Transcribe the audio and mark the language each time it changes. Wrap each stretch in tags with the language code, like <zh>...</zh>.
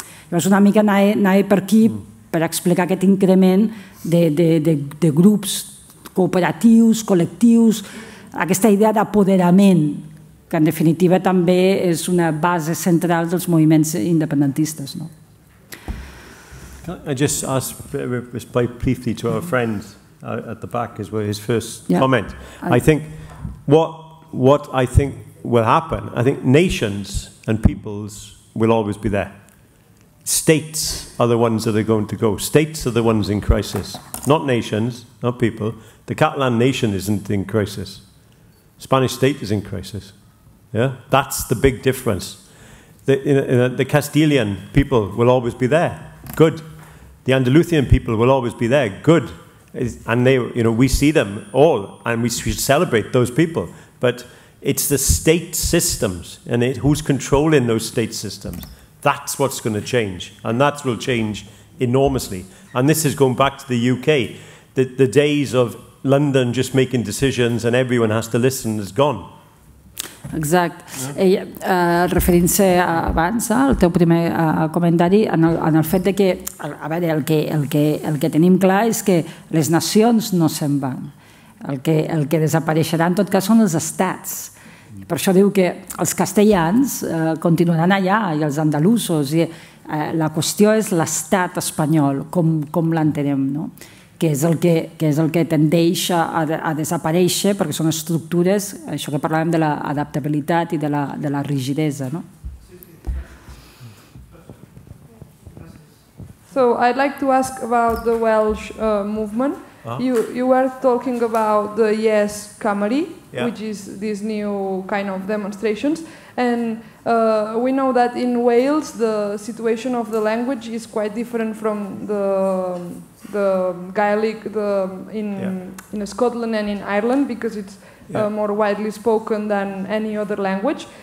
<ca>Llavors una mica anava per aquí per explicar aquest increment de grups cooperatius, col·lectius, aquesta idea d'apoderament, que en definitiva també és una base central dels moviments independentistes, no?</ca> <en>I just ask very briefly to our friend at the back as well, his first comment. I think what I think will happen, I think nations and peoples will always be there. States are the ones that are going to go. States are the ones in crisis, not nations, not people. The Catalan nation isn't in crisis. Spanish state is in crisis. Yeah, that's the big difference. The Castilian people will always be there. Good. The Andalusian people will always be there. Good. And they, you know, we see them all, and we should celebrate those people. But it's the state systems, and who's controlling those state systems? That's what's going to change, and that will change enormously. And this is going back to the UK. The days of London just making decisions and everyone has to listen is gone.</en> <ca>Exacte. Referint-se abans al teu primer comentari, en el fet de que, a veure, el que tenim clar és que les nacions no se'n van. El que desapareixerà, en tot cas, són els estats. Per això diu que els castellans continuaran allà, i els andalusos, i la qüestió és l'estat espanyol, com l'entenem, no? Que és el que tendeix a desaparèixer, perquè són estructures, això que parlàvem de l'adaptabilitat i de la rigidesa, no?</ca> <en>So, I'd like to ask about the Welsh movement. You were talking about the Yes Cymru, which is this new kind of demonstrations, and we know that in Wales the situation of the language is quite different from the Gaelic in Scotland and in Ireland, because it's more widely spoken than any other language.</en>